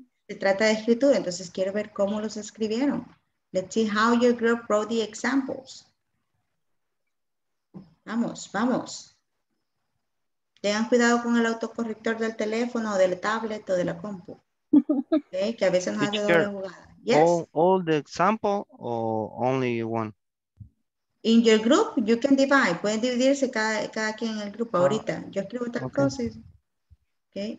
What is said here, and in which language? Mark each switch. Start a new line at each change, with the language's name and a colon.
Spanish: Se trata de escritura, entonces quiero ver cómo los escribieron.
English: Let's see how your group wrote the examples.
Spanish: Vamos. Tengan cuidado con el autocorrector del teléfono, del tablet o de la compu. Okay, que a veces nos hace doble jugada.
English: Yes. All the example or only one? In your group, you can divide.
Spanish: Pueden dividirse cada quien en el grupo ahorita. Yo escribo tres cosas. Okay.